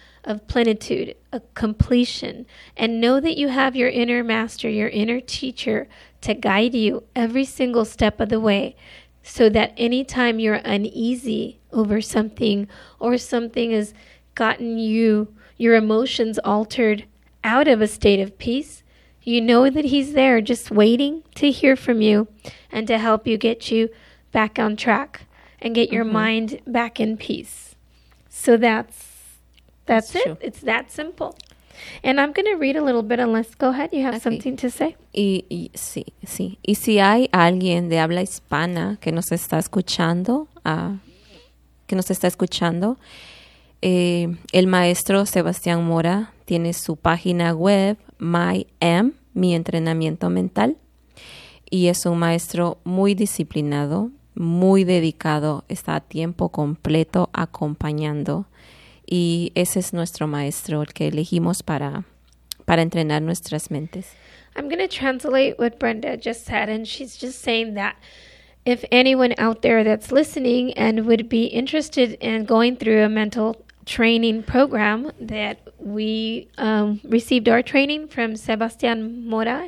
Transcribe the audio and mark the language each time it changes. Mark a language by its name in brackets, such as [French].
[English] of plenitude, a completion, and know that you have your inner master, your inner teacher, to guide you every single step of the way, so that anytime you're uneasy over something or something has gotten you, your emotions altered out of a state of peace, you know that he's there just waiting to hear from you and to help you get you back on track and get your mind back in peace. So that's it. True. It's that simple. And I'm going to read a little bit, unless, go ahead, you have something to say. [Spanish] Y si hay alguien de habla hispana que nos está escuchando, el maestro Sebastián Mora tiene su página web, MyM, mi entrenamiento mental, y es un maestro muy disciplinado, muy dedicado, está a tiempo completo acompañando. Y ese es nuestro maestro, el que elegimos para entrenar nuestras mentes. [English] I'm going to translate what Brenda just said, and she's just saying that if anyone out there that's listening and would be interested in going through a mental training program, that we received our training from Sebastián Mora.